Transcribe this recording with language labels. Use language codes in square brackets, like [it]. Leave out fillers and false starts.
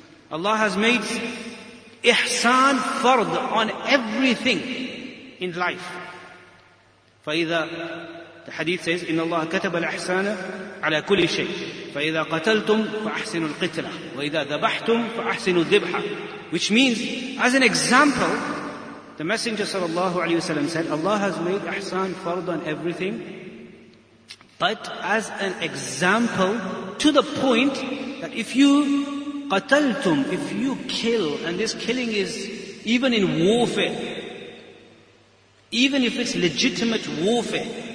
[en] Allah has made ihsan fard on everything in life. [ar] فَإِذَا الحديث [en] says [ar] إن الله كتب الأحسان على كل شيء، فإذا قتلتم فأحسنوا القتلة وإذا ذبحتم فأحسنوا الذبحة. [en] Which means, as an example, the Messenger صلى الله عليه وسلم said, Allah has made ahsan fard on everything, but as an example, to the point that if you [ar] قتلتم, [en] if you kill, and this killing is even in warfare, even if it's legitimate warfare,